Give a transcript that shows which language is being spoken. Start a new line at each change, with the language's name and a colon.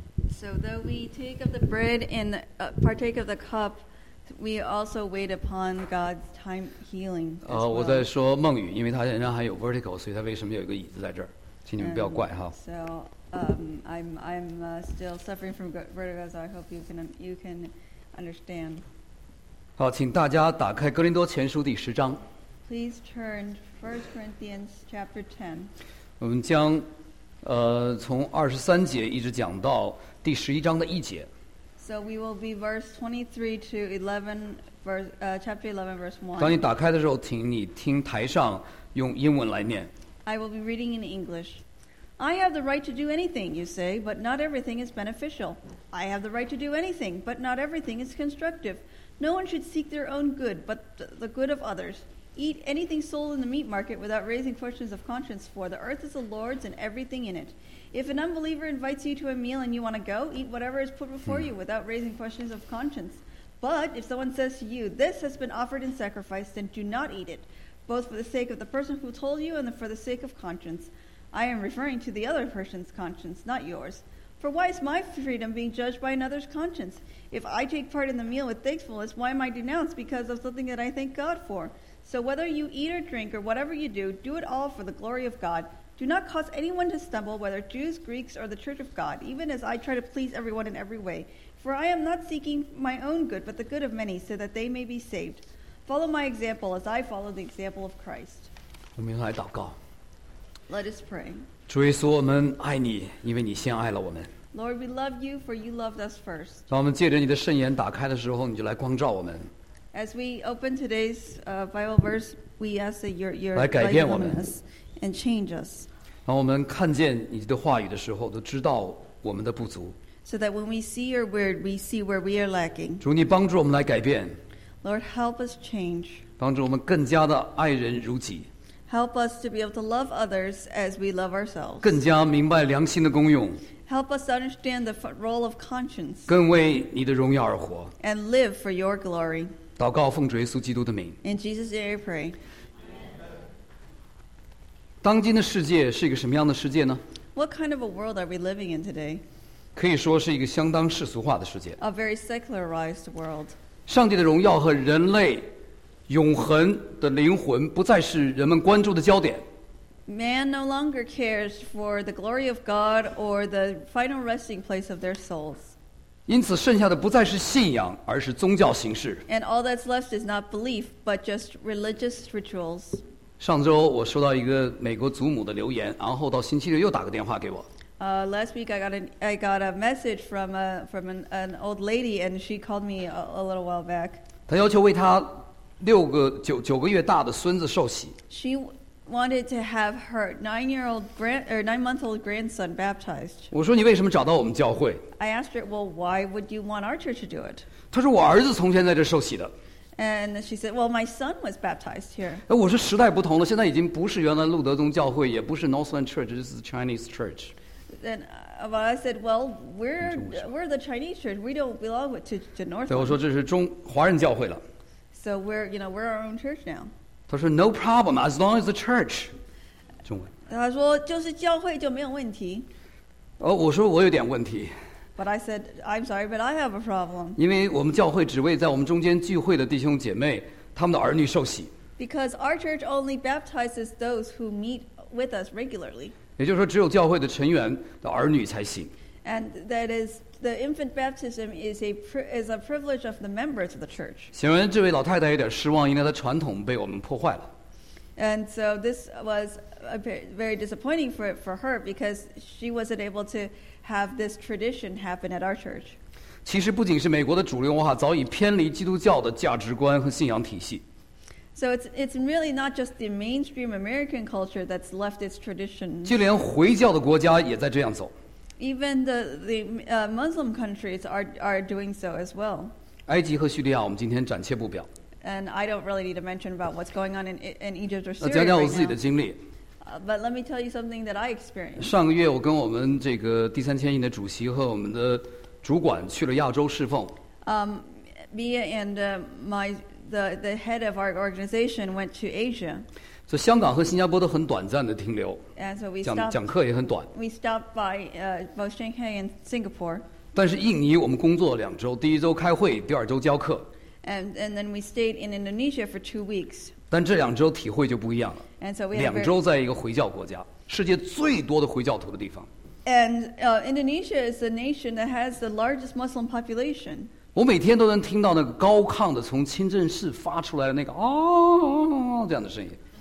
English: So though we take of the bread and partake of the cup, we also wait upon God's time healing.
Chinese: 我在说孟宇，因为他仍然还有 vertical， 所以他为什么有一个椅子在这儿？请你们不要怪哈。
English: So I'm still suffering from vertigo, so I hope you can understand.
Chinese: 好，请大家打开哥林多前书第十章。
English: Please turn to 1 Corinthians chapter 10.
Chinese: 我们将从23节一直讲到第11章的一节。
English: So we will be verse 23 to 11 verse, chapter 11 verse 1.
Chinese: 当你打开的时候，请你听台上用英文来念。
English: I will be reading in English. I have the right to do anything, you say, but not everything is beneficial. I have the right to do anything, but not everything is constructive. No one should seek their own good, but the good of others. Eat anything sold in the meat market without raising questions of conscience, for the earth is the Lord's and everything in it. If an unbeliever invites you to a meal and you want to go, eat whatever is put before you without raising questions of conscience. But if someone says to you, this has been offered in sacrifice, then do not eat it, both for the sake of the person who told you and for the sake of conscience. I am referring to the other person's conscience, not yours. For why is my freedom being judged by another's conscience? If I take part in the meal with thankfulness, why am I denounced because of something that I thank God for? So whether you eat or drink or whatever you do, do it all for the glory of God. Do not cause anyone to stumble, whether Jews, Greeks, or the Church of God, even as I try to please everyone in every way. For I am not seeking my own good, but the good of many, so that they may be saved. Follow my example as I follow the example of Christ.
Chinese: 我们来祷告。
English: Let us pray.
Chinese: 主耶稣，我们爱你，因为你先爱了我们。
English: Lord, we love you, for you loved us first.
Chinese: 当我们借着你的圣言打开的时候，你就来光照我们。
English: As we open today's Bible verse, we ask that your light come in us and change us.
Chinese: 当我们看见你的话语的时候，都知道我们的不足。
English: So that when we see your word, we see where we are lacking.
Chinese: 主，你帮助我们来改变。
English: Lord, help us change.
Chinese: 帮助我们更加的爱人如己。
English: Help us to be able to love others as we love ourselves.
Chinese: 更加明白良心的功用。
English: Help us understand the role of conscience.
Chinese: 更为你的荣耀而活。
English: And live for your glory.
Chinese: 祷告奉主耶稣基督的名。
English: In Jesus' name, pray.
Chinese: 当今的世界是一个什么样的世界呢
English: ？What kind of a world are we living in today?
Chinese: 可以说是一个相当世俗化的世界。
English: A very secularized world.
Chinese: 上帝的荣耀和人类永恒的灵魂不再是人们关注的焦点。
English: Man no longer cares for the glory of God or the final resting place of their souls.
Chinese: 因此剩下的不再是信仰而是宗教形式
English: and all that's left is not belief but just religious rituals
Chinese: 上周我收到一个美国祖母的留言然后到星期六又打个电话给我
English: last week I got a message from an old lady and she called me a little while back
Chinese: 她要求为她九个月大的孙子受洗
English: she wanted to have her nine-month-old grandson baptized
Chinese: 我说你为什么找到我们教会
English: I asked her, well, why would you want our church to do it?
Chinese: 她说我儿子从前在这受洗的。
English: And she said, well, my son was baptized here.
Chinese: 我说时代不同了，现在已经不是原来路德宗教会，也不是
English: Northland Church, this is the Chinese church. Then I said, well, we're the Chinese church. We don't belong to Northland.
Chinese: 我说这是中华人教会了。
English: So we're our own church now.
Chinese: 她说
English: no problem, as long as the church.
Chinese: 中文。她说就是教会就没有问题。我说我有点问题。
English: But I said, I'm sorry, but I have a problem.
Chinese: 因为我们教会只为在我们中间聚会的弟兄姐妹，他们的儿女受洗。
English: Because our church only baptizes those who meet with us regularly.
Chinese: 也就是说，只有教会的成员的儿女才行。
English: And that is the infant baptism is a privilege of the members of the church.
Chinese: 显然，这位老太太有点失望，因为她的传统被我们破坏了。
English: And so this was very disappointing for her because she wasn't able to have this tradition happen at our church.
Chinese: 其实不仅是美国的主流文化早已偏离基督教的价值观和信仰体系。
English: So it's really not just the mainstream American culture that's left its tradition.
Chinese: 就连回教的国家也在这样走。
English: Even the Muslim countries are doing so as well.
Chinese: 埃及和叙利亚，我们今天暂且不表。
English: And I don't really need to mention about what's going on in Egypt or Syria.
Chinese: 讲讲我自己的经历。
English: But let me tell you something that I experienced.
Chinese: 上个月我跟我们这个第三天印的主席和我们的主管去了亚洲侍奉。
English: Me and my the head of our organization went to Asia.
Chinese: 所以香港和新加坡都很短暂的停留。
English: And so we stopped,
Chinese: 讲课也很短。
English: We stopped by both Shanghai and Singapore.
Chinese: 但是印尼我们工作了两周，第一周开会，第二周教课。
English: And then we stayed in Indonesia for 2 weeks.
Chinese: 但这两周体会就不一样了。
English: And so we
Chinese: 两周在一个回教国家，世界最多的回教徒的地方。
English: And Indonesia is the nation that has the largest Muslim population.
Chinese: 我每天都能听到那个高亢的从清真寺发出来的那个这样的声音。